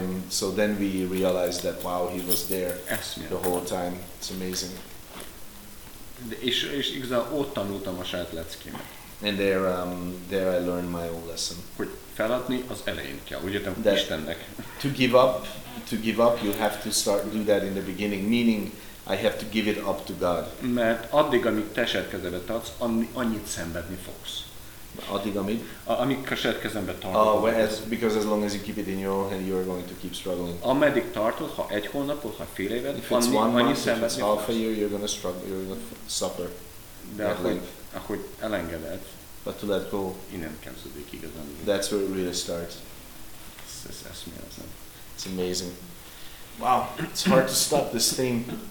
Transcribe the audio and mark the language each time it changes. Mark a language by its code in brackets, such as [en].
[en] So then we realized that wow, he was there the whole time. It's amazing. [hu] És igazán ott tanultam a saját leckémet. [en] And there I learned my own lesson. [hu] Hogy feladni az elején kell, úgy értem, hogy Istennek. [en] To give up, you have to start do that in the beginning. Meaning, I have to give it up to God. [hu] Mert addig, amíg te saját kezedbe tartsz, annyit szenvedni fogsz. Addig, amíg? Amíg a saját kezembe tartod. [en] Because as long as you keep it in your own hand, you are going to keep struggling. [hu] Ameddig tartod, ha egy hónapot, ha fél évet, annyi szenvedni fogsz. [en] If it's one month, you're going to struggle, you're going to suffer. [hu] De ahogy elengeded. [en] But to let go. [hu] Innen kezdődik igazán. [en] That's where it really starts. [hu] Ez eszméletlen. [en] It's amazing. Wow, it's hard to stop this thing.